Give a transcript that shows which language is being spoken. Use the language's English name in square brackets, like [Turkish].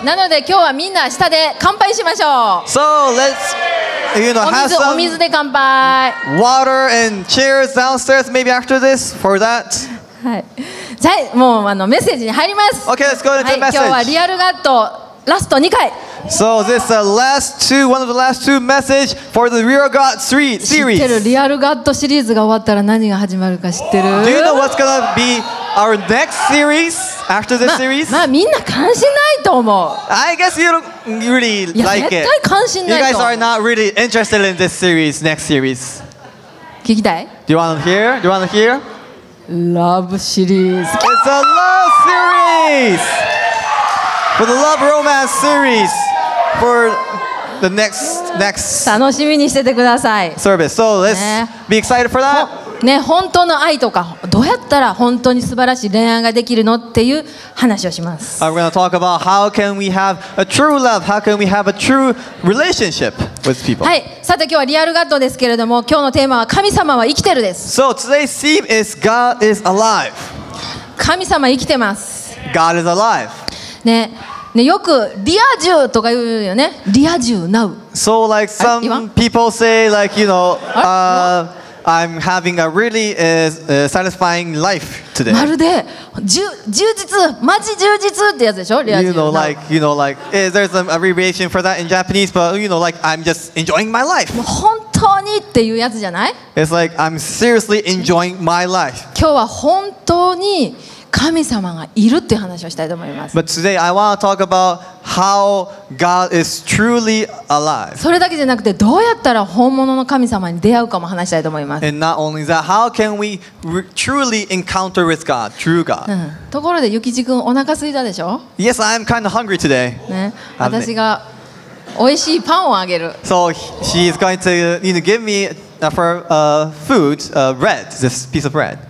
[Japanese] なので今日はみんな下で乾杯しましょう。 [English] So let'sYou know, have some [Japanese] お水で乾杯。 [English] Water and cheers downstairs, maybe after this for that. [Japanese] はい。じゃあもうあのメッセージに入ります。 [English] Okay, let's go to the message. [Japanese] 今日はリアルガッドラスト2回。 [English] So this is the last two, one of the last two message for the Real God 3 series. [Japanese] 知ってる？リアルガッドシリーズが終わったら何が始まるか知ってる？ [English] Do you know what's gonna be our next series after this series? [Japanese] まあみんな関心ないと思う。 [English] I guess you don't really like it. [Japanese] 絶対関心ないと。 [English] You guys are not really interested in this series, next series. [Japanese] 聞きたい？ [English] Do you want to hear? Do you want to hear? Love series. It's a love series. For the love romance series for the next [Japanese] 楽しみにしててください。 [English] Service. So let's be excited for that. [Japanese] ね、本当の愛とかどうやったら本当に素晴らしい恋愛ができるのっていう話をします。 [English] We're going to talk about how can we have a true love? How can we have a true relationship with people? [Japanese] はい。さて今日はリアルガッドですけれども、今日のテーマは神様は生きてるです。 [English] So today's theme is God is alive. [Japanese] 神様生きてます。 [English] God is alive. [Japanese] ねね、よくリア充とか言うよね。リア充 [English] now. So like some people say like you know, I'm having a really satisfying life today. [Japanese] まるで充実、マジ充実ってやつでしょ？リア充 [English] You know like you know like there's an abbreviation for that in Japanese, but you know like I'm just enjoying my life. [Japanese] 本当にっていうやつじゃない [English] ？It's like I'm seriously enjoying my life. [Japanese] 今日は本当に神様がいるっていう話をしたいと思います。 [English] But today I want to talk about how God is truly alive. [Japanese] それだけじゃなくて、どうやったら本物の神様に出会うかも話したいと思います。 [English] And not only that, how can we truly encounter with God, true God? [Japanese] ところで、ゆきじ君お腹空いたでしょ [English] ？Yes, I'm kind of hungry today. [Japanese] ね、私が美味しいパンをあげる。 [English] So she is going to you know, give me for food, bread, this piece of bread.